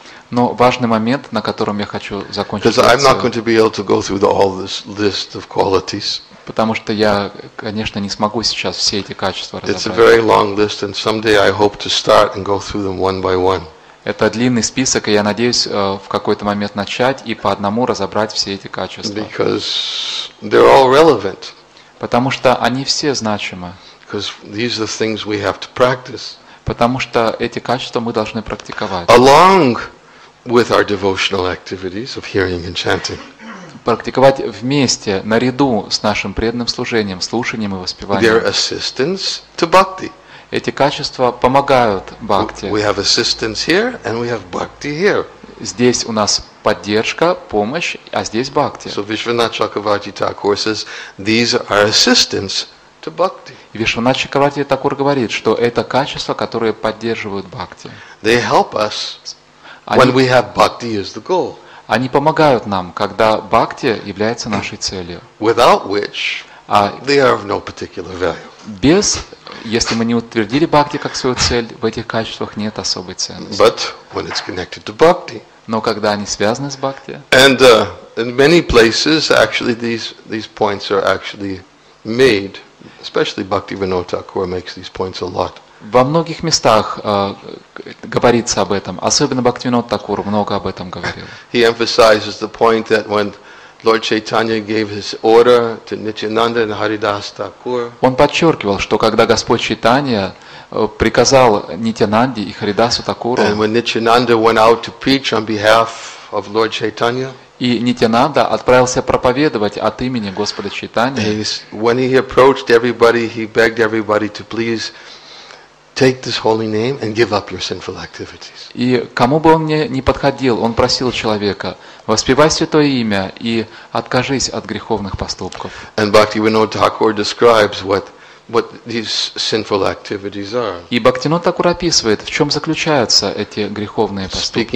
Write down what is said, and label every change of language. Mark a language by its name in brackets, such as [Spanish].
[Russian] Но важный момент, на котором я хочу закончить. [English] Because I'm not going to be able to go through all this list of qualities. [Russian] Потому что я, конечно, не смогу сейчас все эти качества разобрать. [English] It's a very long list, and someday I hope to start and go through them one by one. [Russian] Это длинный список, и я надеюсь в какой-то момент начать и по одному разобрать все эти качества. [English] Because they're all relevant. [Russian] Потому что они все значимы. [English] Because these are things we have to practice. [Russian] Потому что эти качества мы должны практиковать. [English] Along with our devotional activities of hearing and chanting. [Russian] Практиковать вместе, наряду с нашим преданным служением, слушанием и воспеванием. [English] Their assistance to bhakti. [Russian] Эти качества помогают бхакти. [English] We have assistance here, and we have bhakti here. [Russian] Здесь у нас поддержка, помощь, а здесь бхакти. [English] So Vishwanath Chakravarti Thakur says, these are assistants to bhakti. [Russian] Вишванат Чакраварти Такур говорит, что это качества, которые поддерживают бхакти. [English] They help us when we have bhakti as the goal. [Russian] Они помогают нам, когда бхакти является нашей целью. [English] Without which, they are of no particular value. [Russian] Без, если мы не утвердили бхакти как свою цель, в этих качествах нет особой ценности. [English] But when it's connected to bhakti. [Russian] Но когда они связаны с бхакти. [English] And in many places, actually, these points are actually made. Especially Bhaktivinoda Thakur makes these points a lot. [Russian] Во многих местах говорится об этом. Особенно Бхактивинод Такур много об этом говорил. [English] He emphasizes the point that when Lord Chaitanya gave his order to Nityananda and Haridas Thakur. [Russian] Он подчеркивал, что когда Господь Чайтанья приказал Нитянанде и Харидасу Такуру. [English] And when Nityananda went out to preach on behalf of Lord Chaitanya. [Russian] И Нитянанда отправился проповедовать от имени Господа Чайтаньи. [English] When he approached everybody, he begged everybody to please take this holy name and give up your sinful activities. [Russian] И кому бы он ни подходил, он просил человека: воспевай святое имя и откажись от греховных поступков. [English] And Bhaktivinoda Thakur describes what these sinful activities are. [Russian] И Бхактивинода Такур описывает, в чем заключаются эти греховные поступки.